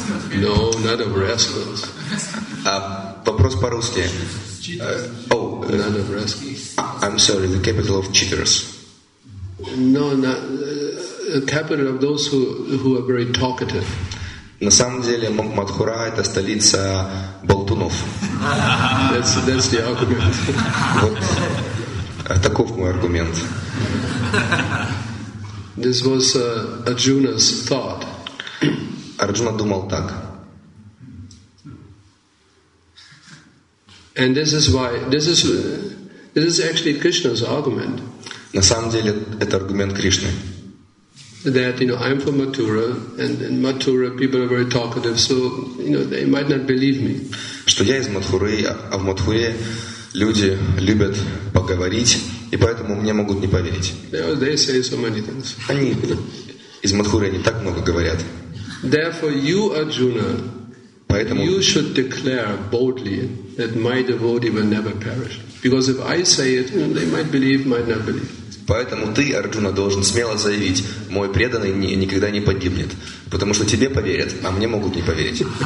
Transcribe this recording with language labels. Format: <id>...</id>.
<en>No, not of rascals.</en> <ru>Вопрос по-русски.</ru> <en>Not of rascals. I'm sorry, the capital of cheaters. No, not the capital of those who are very talkative.</en> <ru>На самом деле, Мадхура — это столица болтунов.</ru> <en>That's the argument.</en> <ru>Вот, таков мой аргумент.</ru> <en>This was Arjuna's thought.</en> <ru>Арджуна думал так.</ru> <en>And this is why this is actually Krishna's argument.</en> <ru>На самом деле, это аргумент Кришны.</ru> <en>That, you know, I'm from Mathura, and in Mathura people are very talkative, so, you know, they might not believe me.</en> <ru>Что я из Мадхуры, а в Мадхуре люди любят поговорить, и поэтому мне могут не поверить.</ru> <en>They say so many things.</en> <ru>Они из Мадхуры, они так много говорят.</ru> <en>Therefore, you, Arjuna,</en> <ru>поэтому...</ru> <en>you should declare boldly that my devotee will never perish. Because if I say it, you know, they might believe, might not believe.</en> <ru>Поэтому ты, Арджуна, должен смело заявить, мой преданный никогда не погибнет, потому что тебе поверят, а мне могут не поверить.</ru>